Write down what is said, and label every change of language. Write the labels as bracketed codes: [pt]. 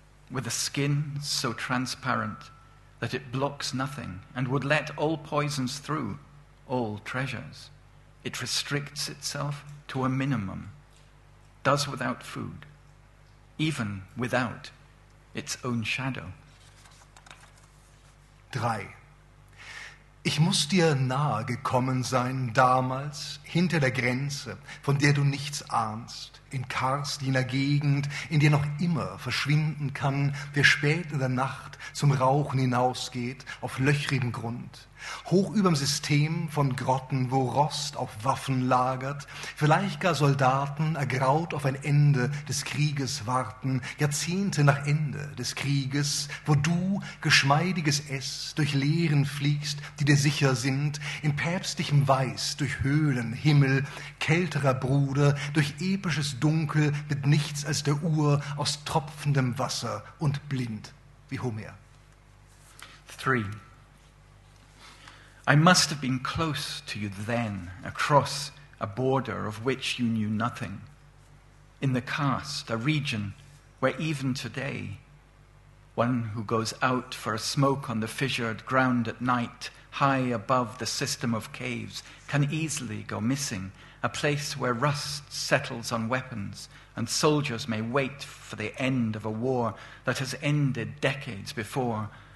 [en] With a skin so transparent that it blocks nothing and would let all poisons through, all treasures, it restricts itself to a minimum, does without food, even without its own shadow. [de] Drei. Ich muss dir nahe gekommen sein, damals, hinter der Grenze, von der du nichts ahnst, in Karst, jener Gegend, in der noch immer verschwinden kann, wer spät in der Nacht zum Rauchen hinausgeht, auf löchrigem Grund, hoch überm System von Grotten, wo Rost auf Waffen lagert, vielleicht gar Soldaten ergraut auf ein Ende des Krieges warten, Jahrzehnte nach Ende des Krieges, wo du, geschmeidiges Ess, durch Leeren fliegst, die dir sicher sind, in päpstlichem Weiß durch Höhlen, Himmel, kälterer Bruder, durch episches Dunkel mit nichts als der Uhr aus tropfendem Wasser und blind wie Homer. [en] 3. I must have been close to you then, across a border of which you knew nothing, in the caste, a region where even today, one who goes out for a smoke on the fissured ground at night, high above the system of caves, can easily go missing, a place where rust settles on weapons and soldiers may wait for the end of a war that has ended decades before,